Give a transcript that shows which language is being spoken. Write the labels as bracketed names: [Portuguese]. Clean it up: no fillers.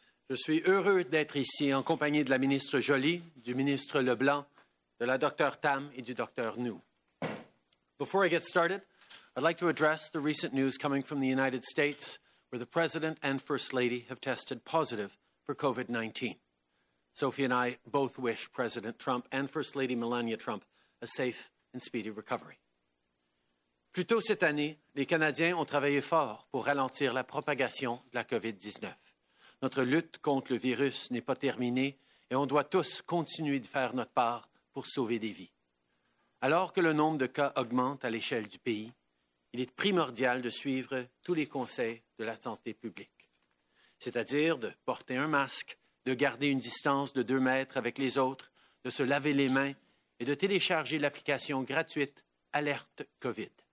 [French] Je suis heureux d'être ici en compagnie de la ministre Joly, du ministre Leblanc, de la docteur Tam et du docteur Nou. [English] Before I get started, I'd like to address the recent news coming from the United States, where the President and First Lady have tested positive for COVID-19. Sophie and I both wish President Trump and First Lady Melania Trump a safe and speedy recovery. [French] Plus tôt cette année, les Canadiens ont travaillé fort pour ralentir la propagation de la COVID-19. Notre lutte contre le virus n'est pas terminée et on doit tous continuer de faire notre part pour sauver des vies. Alors que le nombre de cas augmente à l'échelle du pays, il est primordial de suivre tous les conseils de la santé publique, c'est-à-dire de porter un masque, de garder une distance de 2 mètres avec les autres, de se laver les mains et de télécharger l'application gratuite Alerte COVID.